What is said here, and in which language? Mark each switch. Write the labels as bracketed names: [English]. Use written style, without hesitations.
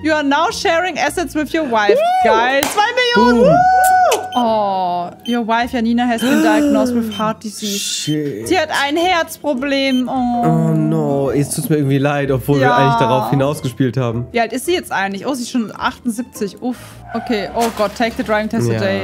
[English] You are now sharing assets with your wife. Woo! [German] Geil. 2 Millionen. [English] Oh, your wife Janina has been diagnosed with heart disease. Shit. [German] Sie hat ein Herzproblem. Oh, [English] oh no, [German] jetzt tut es mir irgendwie leid, obwohl wir eigentlich darauf hinausgespielt haben. Wie alt ist sie jetzt eigentlich? Oh, sie ist schon 78. Uff. [English] Okay, [German] oh Gott, [English] take the driving test today.